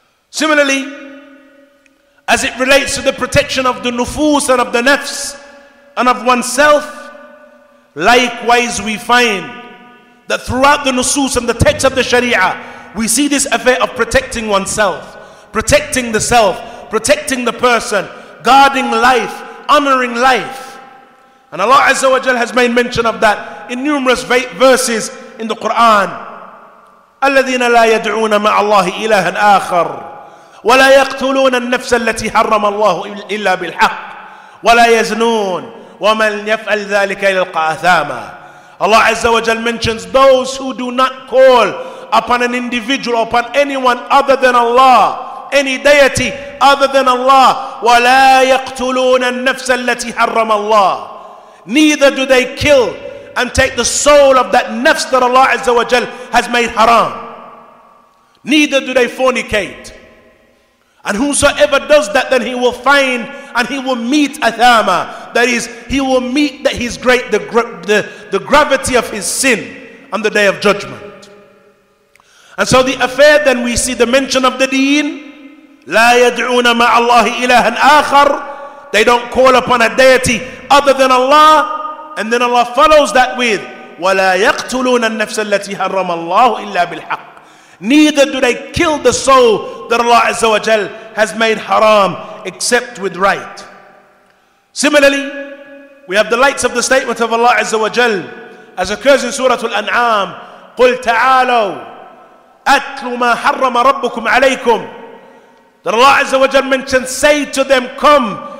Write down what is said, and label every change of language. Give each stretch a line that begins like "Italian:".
English: Similarly, as it relates to the protection of the nufus and of the nafs and of oneself, likewise we find that throughout the nusus and the text of the sharia, we see this affair of protecting oneself, protecting the self, protecting the person, guarding life, honoring life. And Allah Azza wa Jal has made mention of that in numerous verses in the Quran.
Arabic: أَلَّذِينَ لَا يَدْعُونَ مَعَ اللَّهِ إِلَهًا آخَرٌ ولا يقتلون النفس التي حرم الله الا بالحق ولا يزنون ومن يفعل ذلك يلقى اثاما.
English: Allah Azza wa Jal mentions those who do not call upon an individual, upon anyone other than Allah, any deity other than Allah.
Arabic: ولا يقتلون النفس التي حرم الله.
English: Neither do they kill and take the soul of that nafs that Allah Azza wa Jal has made haram. Neither do they fornicate. And whosoever does that, then he will find and he will meet athama. That is, he will meet that his great the gravity of his sin on the day of judgment. And so the affair, then we see the mention of the deen.
Arabic: لا يدعون مع الله إله آخر.
English: They don't call upon a deity other than Allah. And then Allah follows that with
Arabic: ولا يقتلون النفس التي حرم الله إلا بالحق.
English: Neither do they kill the soul that Allah Azza wa Jal has made haram except with right. Similarly, we have the likes of the statement of Allah Azza wa Jal as occurs in Surah Al-An'am.
Arabic: قُلْ تَعَالَوْا أَتْلُ مَا حَرَّمَ رَبُّكُمْ عَلَيْكُمْ.
English: That Allah Azza wa Jal mentioned, say to them, come